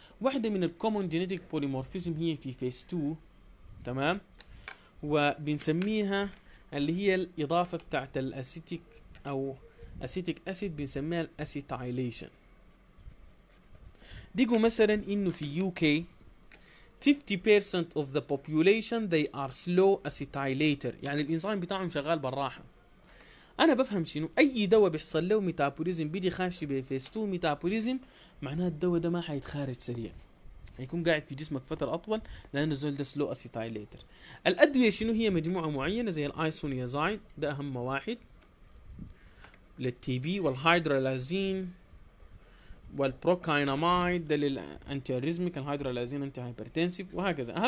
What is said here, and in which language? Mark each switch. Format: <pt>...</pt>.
<ar>واحده من الكومون جينيتيك بوليمورفيزم هي في فيس 2، تمام؟ وبنسميها اللي هي الاضافه بتاعت الاسيتيك او اسيتيك اسيد بنسميها الاسيتايليشن. ديجو مثلا انه في يو كي</ar> <en>50% of the population they are slow acetylator،</en> <ar>يعني الانزيم بتاعهم شغال بالراحه. انا بفهم شنو اي دواء بيحصل له ميتابوليزم بيجي خارج بفيس 2 ميتابوليزم، معناه الدواء ده ما حيتخارج سريع، هيكون قاعد في جسمك فتره اطول لانه زول ده سلو اسيتايليتر. الادويه شنو هي؟ مجموعه معينه زي الايسونيازيد ده اهم واحد للتي بي، والهيدرالازين والبروكايناميد ده للانتي اريزميك، الهيدرالازين انتي هايبرتنسيف، وهكذا.</ar>